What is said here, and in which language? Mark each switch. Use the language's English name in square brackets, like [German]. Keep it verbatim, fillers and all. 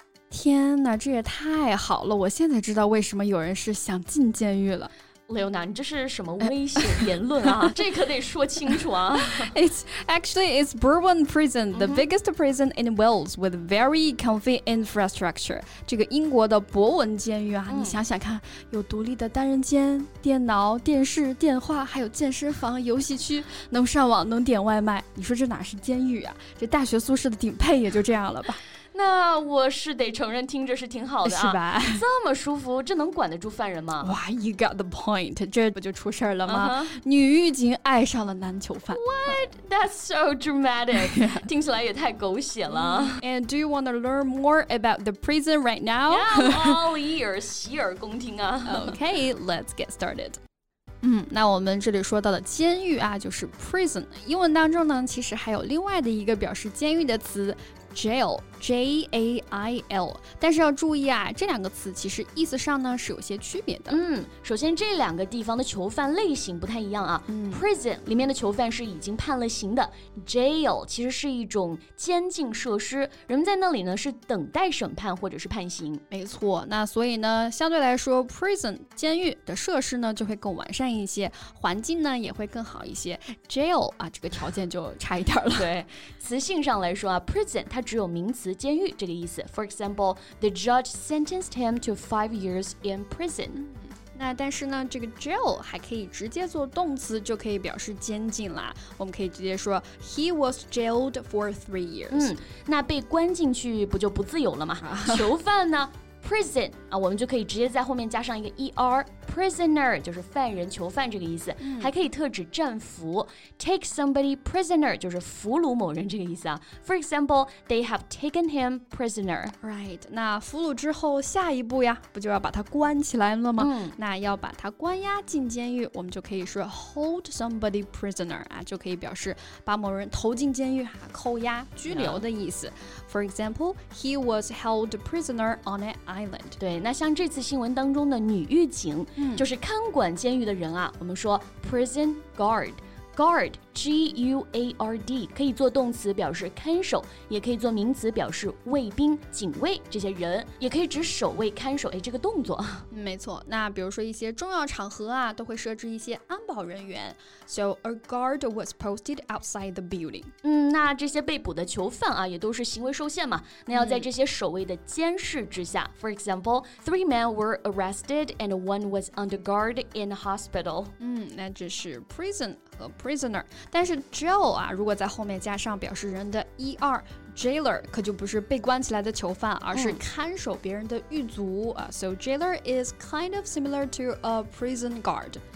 [Chinese] 天哪，这也太好了！我现在知道为什么有人是想进监狱了。 Leona，你这是什么危险言论啊？这可得说清楚啊。 [English] It's actually it's Berwyn Prison, the biggest prison in Wales with very comfy infrastructure. [Chinese] 这个英国的博文监狱啊，你想想看，有独立的单人间、电脑、电视、电话，还有健身房、游戏区，能上网，能点外卖。你说这哪是监狱啊？这大学宿舍的顶配也就这样了吧。那我是得承认听着是挺好的啊，是吧？这么舒服，这能管得住犯人吗？哇， [English] you got the point， [Chinese] 这不就出事了吗、uh-huh. 女狱警爱上了男囚犯。 [English] What? That's so dramatic [Chinese] 听起来也太狗血了。 [English] And do you want to learn more about the prison right now? Yeah, I'm all ears [Chinese] 洗耳恭听啊。 [English] Okay, let's get started。 [Chinese] 嗯，那我们这里说到的监狱啊，就是 prison。英文当中呢，其实还有另外的一个表示监狱的词Jail, J A I L， 但是要注意啊，这两个词其实意思上呢是有些区别的。嗯，首先这两个地方的囚犯类型不太一样啊、嗯、Prison 里面的囚犯是已经判了刑的， Jail 其实是一种监禁设施，人们在那里呢是等待审判或者是判刑。没错，那所以呢相对来说 Prison 监狱的设施呢就会更完善一些，环境呢也会更好一些。 Jail 啊，这个条件就差一点了。对，词性上来说啊， Prison 它只有名词监狱这个意思。 [English] For example, the judge sentenced him to five years in prison. [Chinese] 那但是呢，这个 jail 还可以直接做动词，就可以表示监禁啦。我们可以直接说 [English] He was jailed for three years. [Chinese] 嗯，那被关进去不就不自由了吗？囚犯呢prison 啊，我们就可以直接在后面加上一个 er， prisoner 就是犯人、囚犯这个意思、嗯、还可以特指战俘。 take somebody prisoner 就是俘虏某人这个意思啊。 [English] For example, they have taken him prisoner. [Chinese] Right， 那俘虏之后下一步呀，不就要把他关起来了吗、嗯、那要把他关押进监狱，我们就可以说 hold somebody prisoner 啊，就可以表示把某人投进监狱、啊、扣押、拘留的意思、yeah. [English] For example, he was held prisoner on an island. [Chinese] 对，那像这次新闻当中的女狱警、嗯、就是看管监狱的人啊，我们说 prison guard。 guard G U A R D 可以做动词表示看守，也可以做名词表示卫兵、警卫这些人，也可以指守卫、看守，哎，这个动作。没错，那比如说一些重要场合啊，都会设置一些安保人员。 [English] So a guard was posted outside the building. [Chinese] 嗯，那这些被捕的囚犯啊，也都是行为受限嘛，那要在这些守卫的监视之下、嗯、 [English] For example, three men were arrested and one was under guard in hospital. [Chinese] 嗯，那这是 prison 和 prisoner。但是 jail 啊，如果在后面加上表示人的 er， jailer 可就不是被关起来的囚犯，而是看守别人的狱卒、嗯 uh, [English] So jailer is kind of similar to a prison guard。